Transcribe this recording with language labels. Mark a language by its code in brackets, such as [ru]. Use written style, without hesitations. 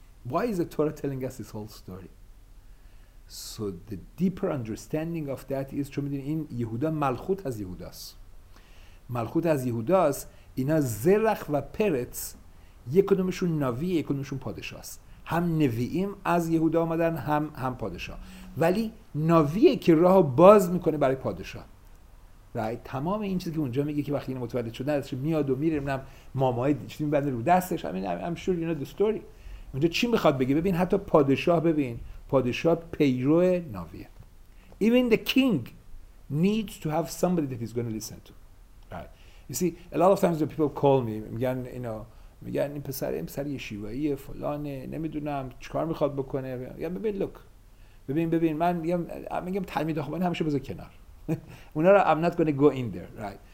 [en] Why is the Torah telling us this whole story? So the deeper understanding of that is, [fa] چون میدونی این یهودا ملخوت از یهوداست، ملخوت از یهوداست، اینا زرخ و پرتز، یک کدومشون نوی، یک کدومشون پادشاه است. هم نویم از یهودا آمدن، هم پادشاه، ولی نویه که راه باز میکنه برای پادشاه. [en] Right. [fa] تمام این چیزی که اونجا میگه که وقتی این متولد شده ازش میاد و میره، نمیدونم مامای چی میبنده رو دستش، همین [en] I'm sure you know the story. [fa] اونجا چی میخواد بگه؟ ببین حتی پادشاه، ببین پادشاه پیرو ناویه. [en] Even the king needs to have somebody that he's going to listen to. Right. You see, a lot of times the people call me, [fa] میگن you know, میگن این پسر، این پسر یه شیوایی فلانه، نمیدونم چیکار میخواد بکنه. میگم ببین look. ببین من میگم تلمید خوبانی همیشه بذار کنار. اونا را [en] I'm not going to go in there, right.